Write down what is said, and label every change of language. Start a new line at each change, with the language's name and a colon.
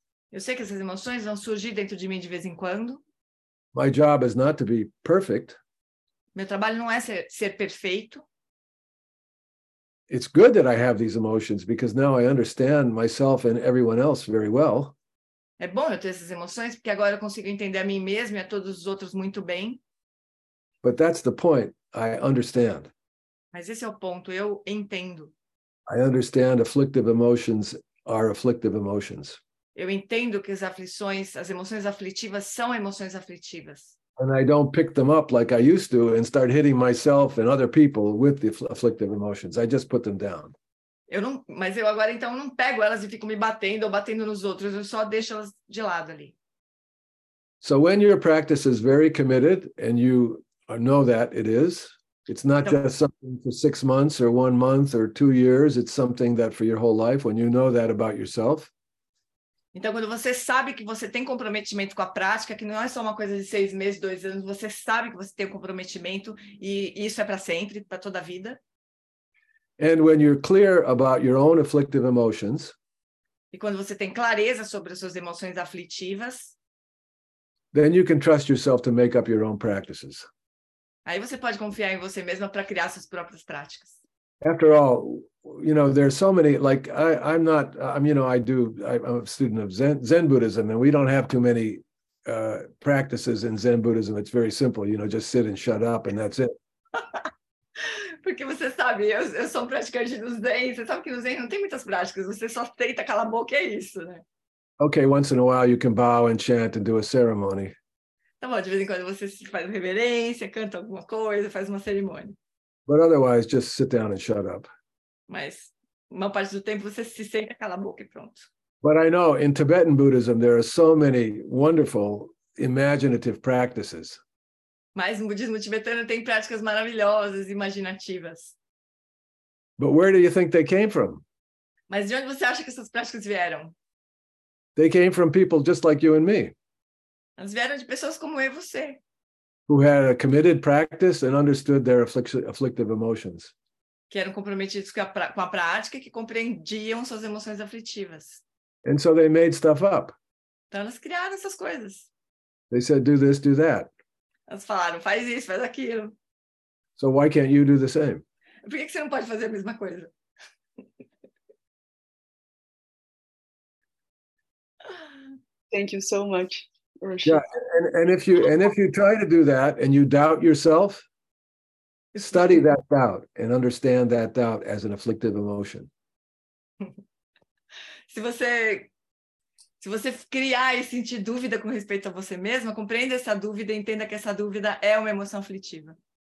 Portuguese: Eu sei que essas emoções vão surgir dentro de mim de vez em quando.
English: My job is not to be perfect.
Portuguese: Meu trabalho não é ser perfeito.
English: It's good that I have these emotions because now I understand myself and everyone else very well.
Portuguese: É bom eu ter essas emoções, porque agora eu consigo entender a mim mesmo e a todos os outros muito bem.
English: But that's the point, I understand.
Portuguese: Mas esse é o ponto, eu entendo.
English: I understand afflictive emotions are afflictive emotions.
Portuguese: Eu entendo que as emoções aflitivas são emoções aflitivas.
English: And I don't pick them up like I used to and start hitting myself and other people with the afflictive emotions. I just put them down.
Portuguese: Mas eu agora então não pego elas e fico me batendo ou batendo nos outros, eu só deixo elas de lado ali.
English: So when your practice is very committed, and you know that it is, it's not
Portuguese: então,
English: just something for 6 months or 1 month or 2 years, it's something that for your whole life, when you know that about yourself.
Portuguese: Então quando você sabe que você tem comprometimento com a prática, que não é só uma coisa de 6 meses, 2 anos, você sabe que você tem um comprometimento e isso é para sempre, para toda a vida.
English: And when you're clear about your own afflictive emotions,
Portuguese: e quando você tem clareza sobre as suas emoções aflitivas,
English: then you can trust yourself to make up your own practices.
Portuguese: Aí você pode confiar em você mesma para criar suas próprias práticas.
English: After all, you know, there's so many, like, I'm a student of Zen Buddhism, and we don't have too many practices in Zen Buddhism. It's very simple, you know, just sit and shut up, and that's it.
Portuguese: Porque você sabe, eu sou um praticante do Zen, você sabe que no Zen não tem muitas práticas, você só deita, cala a boca e é isso, né?
English: Okay, once in a while you can bow and chant and do a ceremony.
Portuguese: Tá bom, de vez em quando você faz reverência, canta alguma coisa, faz uma cerimônia.
English: But otherwise, just sit down and shut up.
Portuguese: Mas, uma parte do tempo você se senta, cala a boca e pronto.
English: But I know, in Tibetan Buddhism, there are so many wonderful imaginative practices.
Portuguese: Mas no budismo tibetano tem práticas maravilhosas, imaginativas.
English: But where do you think they came from?
Portuguese: Mas de onde você acha que essas práticas vieram?
English: They came from people just like you and me.
Portuguese: Elas vieram de pessoas como eu e você.
English: Who had a committed practice and understood their afflictive emotions.
Portuguese: Que eram comprometidos com a prática e que compreendiam suas emoções aflitivas.
English: And so they made stuff up.
Portuguese: Então elas criaram essas coisas.
English: They said, do this, do that.
Portuguese: Elas falaram, faz isso, faz aquilo.
English: So why can't you do the same?
Portuguese: Por que você não pode fazer a mesma coisa?
English: Thank you so much, Roshi. Yeah, and if you try to do that and you doubt yourself, study that doubt and understand that doubt as an afflictive emotion.
Portuguese: Se você criar e sentir dúvida com respeito a você mesma, compreenda essa dúvida e entenda que essa dúvida é uma emoção aflitiva.